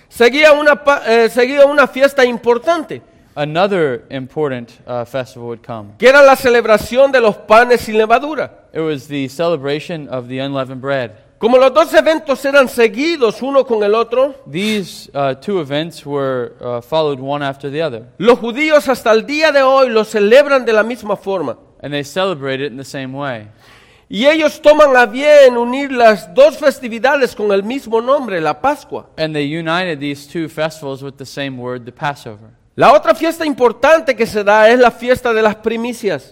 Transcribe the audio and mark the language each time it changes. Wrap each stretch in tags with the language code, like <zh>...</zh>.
<es>seguía una fiesta importante.</es> <en>Another important festival would come.</en> <es>Que era la celebración de los panes sin levadura.</es> <en>It was the celebration of the unleavened bread.</en> <es>Como los dos eventos eran seguidos uno con el otro,</es> <en>these two events were followed one after the other.</en> <es>Los judíos hasta el día de hoy lo celebran de la misma forma.</es> <en>And they celebrate it in the same way.</en> <es>Y ellos toman a bien unir las dos festividades con el mismo nombre, la Pascua.</es> <en>And they united these two festivals with the same word, the Passover.</en> <es>La otra fiesta importante que se da es la fiesta de las primicias.</es>